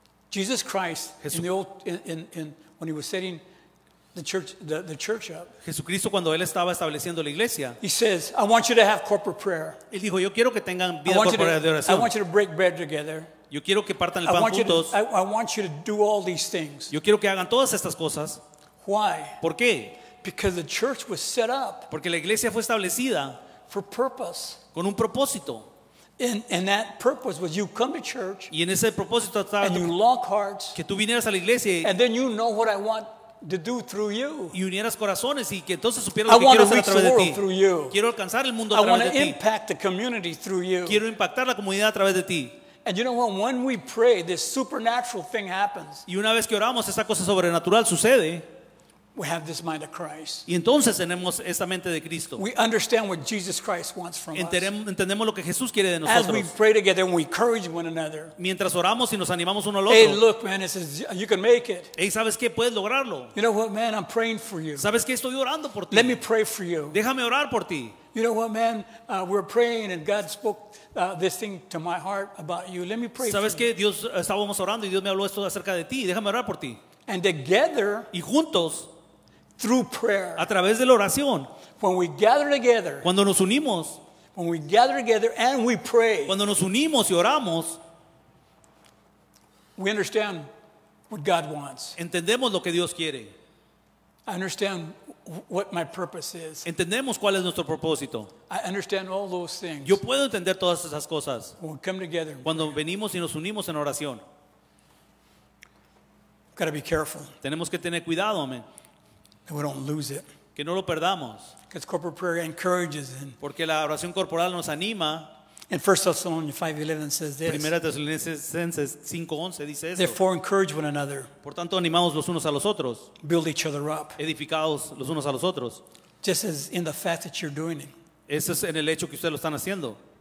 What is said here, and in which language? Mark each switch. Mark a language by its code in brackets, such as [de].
[en] Jesus Christ, in the old, when he was sitting the church up. [es] Jesucristo cuando él estaba estableciendo la iglesia. [en] He says, I want you to have corporate prayer. [es] Él dijo, yo quiero que tengan vida corporal de oración. [en] I want you to break bread together. [es] Yo quiero que partan el pan juntos. [en] I want you to do all these things. [es] Yo quiero que hagan todas estas cosas. [en] Why? [es] ¿Por qué? [en] Because the church was set up. [es] Porque la iglesia fue establecida. [en] For purpose. [es] Con un propósito. [en] And that purpose was you come to church. [es] Y en ese propósito estaba. [en] And you lock hearts. [es] Que tú vinieras a la iglesia. [en] And then you know what I want to do through you. [es] Y unieras corazones y que entonces supieras lo que quiero hacer a través de ti. Quiero alcanzar el mundo a través de ti. [en] I want to impact the community through you. [es] Quiero impactar la comunidad a través de ti. [en] And you know what? When we pray, this supernatural thing happens. [es] Y una vez que oramos, esa cosa sobrenatural sucede. [en] We have this mind of Christ. [es] Y entonces tenemos esta mente de Cristo. [en] We understand what Jesus Christ wants from us. [es] Entendemos lo que Jesús quiere de nosotros. [en] As we pray together and we encourage one another. [es] Mientras oramos y nos animamos uno al otro. [en] Hey, look, man, it says you can make it. [es] Hey, ¿sabes qué? Puedes lograrlo. [en] You know what, man? I'm praying for you. [es] ¿Sabes qué? Estoy orando por ti. [en] Let me pray for you. [es] Déjame orar por ti. [en] You know what, man? We're praying and God spoke this thing to my heart about you. Let me pray. [es] ¿Sabes qué? Dios, estábamos orando y Dios me habló esto acerca de ti. Déjame orar por ti. [en] And together. [es] Y juntos. [en] Through prayer. [es] A través de la oración. [en] When we gather together. [es] Cuando nos unimos. [en] When we gather together and we pray. [es] Cuando nos unimos y oramos. [en] We understand what God wants. [es] Entendemos lo que Dios quiere. [en] I understand what my purpose is. [es] Entendemos cuál es nuestro propósito. [en] I understand all those things. [es] Yo puedo entender todas esas cosas. [en] When we come together. [es] Cuando venimos y nos unimos en oración. [en] Got to be careful. [es] Tenemos que tener cuidado, amén. [en] That we don't lose it. [es] Que no lo perdamos. [en] Because corporate prayer encourages him. [es] Porque la oración corporal nos anima. [en] In 1 Thessalonians 5:11 says this. [es] Primera Tesalonicenses 5:11 dice esto. [en] Therefore encourage one another. [es] Por tanto, animamos los unos a los otros. [en] Build each other up. [es] Edificados los unos a los otros. [en] Just as in the fact that you're doing it. [es] Eso es en el hecho que ustedes lo están haciendo.